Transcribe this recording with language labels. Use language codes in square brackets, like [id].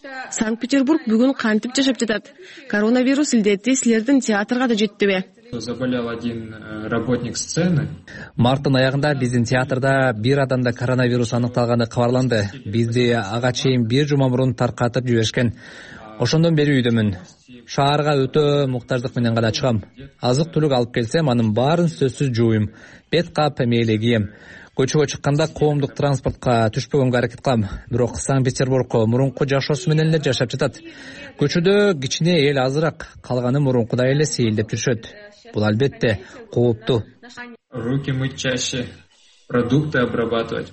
[ky] Санкт-Петербург бүгүн кантип жашап жатат? Коронавирус илдети силердин театрга да жеттиби? [ru] Заболел один работник сцены. [ky] Марттын аягында биздин театрда бир адамда коронавирус аныкталганы кабарланды. Бизди ага чейин бир жума мурун таркатып жиберишкен. Ошондон бери үйдөмүн. Шаарга өтө муктаждык менен гана чыгам. Азык түлүк алып келсем, анын баарын сөзсүз жууйм. Бет кап мээлей кийем. Көчөгө чыкканда коомдук транспортко түшпөгөнгө аракет кылам. Бирок Санкт-Петербургко мурунку жашоосу менен эле жашап жатат. Көчөдө кичине эл азыраак, калганы мурункудай эле сейилдеп жүрүшөт. Бул албетте кооптуу. [ru] Руки мыть чаще, продукты обрабатывать.